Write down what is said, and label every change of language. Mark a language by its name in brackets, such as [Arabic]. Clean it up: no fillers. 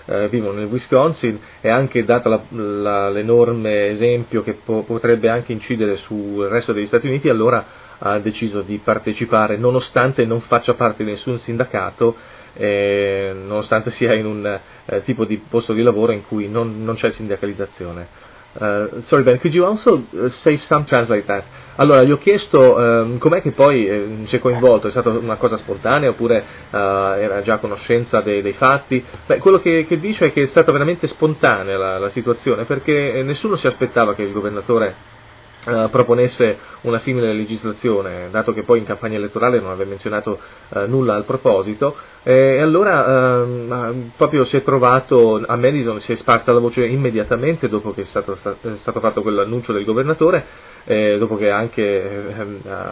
[Italian] vivono nel Wisconsin, e anche data l'enorme esempio che potrebbe anche incidere sul resto degli Stati Uniti, allora ha deciso di partecipare, nonostante non faccia parte di nessun sindacato, nonostante sia in un tipo di posto di lavoro in cui non c'è sindacalizzazione. [English] Sorry Ben, could you also say some translate that? [Italian] Allora, gli ho chiesto com'è che poi si è coinvolto, è stata una cosa spontanea oppure era già a conoscenza dei fatti. Beh, quello che dice è che è stata veramente spontanea la situazione, perché nessuno si aspettava che il governatore proponesse una simile legislazione, dato che poi in campagna elettorale non aveva menzionato nulla al proposito, e allora proprio si è trovato a Madison, si è sparsa la voce immediatamente dopo che è stato fatto quell'annuncio del governatore, dopo che è anche